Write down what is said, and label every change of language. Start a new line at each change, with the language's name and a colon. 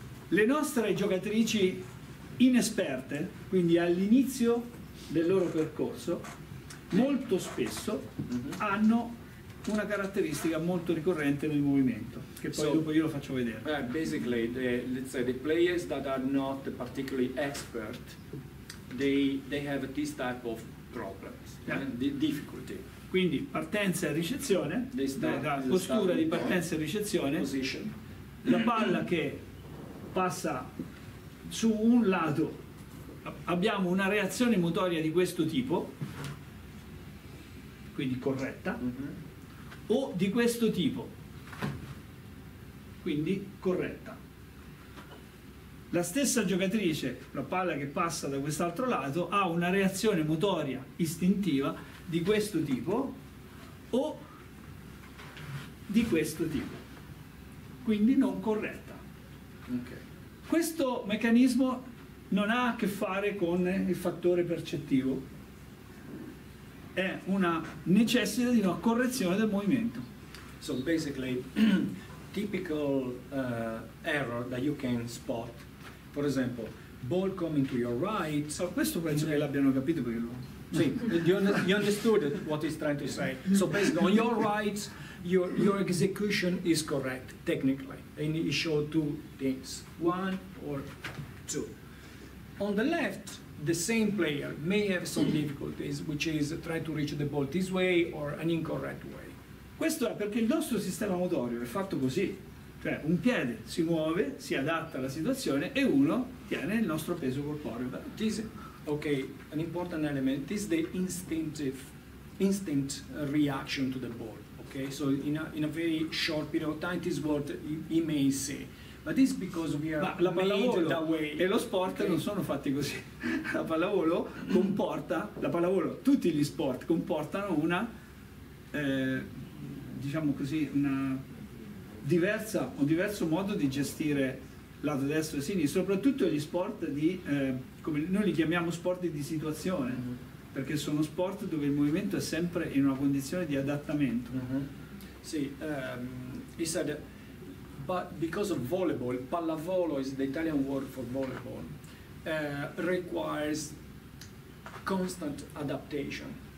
Italian: Le nostre giocatrici inesperte, quindi all'inizio del loro percorso, molto spesso hanno una caratteristica molto ricorrente nel movimento, che poi dopo io lo faccio vedere.
English: Basically, let's say the players that are not particularly expert, they have this type of problems, the difficulty.
Italian: Quindi partenza e ricezione, la postura di partenza e ricezione,
English: position.
Italian: La palla che passa su un lato, abbiamo una reazione motoria di questo tipo, quindi corretta, o di questo tipo, quindi corretta. la stessa giocatrice, la palla che passa da quest'altro lato, ha una reazione motoria istintiva di questo tipo o di questo tipo, quindi non corretta. Okay. Questo meccanismo non ha a che fare con il fattore percettivo, è una necessità di una correzione del movimento.
English: So basically, typical error that you can spot, for example, ball coming to your right.
Italian: So questo penso che l'abbiano capito perché lo...
English: Sì, you understood what he's trying to say. So basically, on your right, your execution is correct technically, and it showed two things, one or two. On the left, the same player may have some difficulties, which is try to reach the ball this way or an incorrect way. Questo è perché il nostro sistema motorio è fatto così, cioè un piede si muove, si adatta alla situazione e uno tiene il nostro peso corporeo. But this, okay, an important element, this is the instinct reaction to the ball. Okay, so in a very short period of time, this is what he may say. But this is because we are la pallavolo that way.
Italian: E lo sport, okay, non sono fatti così. La pallavolo comporta, tutti gli sport comportano una, diciamo così, una diversa, un diverso modo di gestire lato destro e sinistro, soprattutto gli sport di, come noi li chiamiamo sport di situazione. Mm-hmm. Perché sono sport dove il movimento è sempre in una condizione di adattamento. Mm-hmm.
English: Sì, he said, but because of volleyball, pallavolo is the Italian word for volleyball, requires constant adaptation.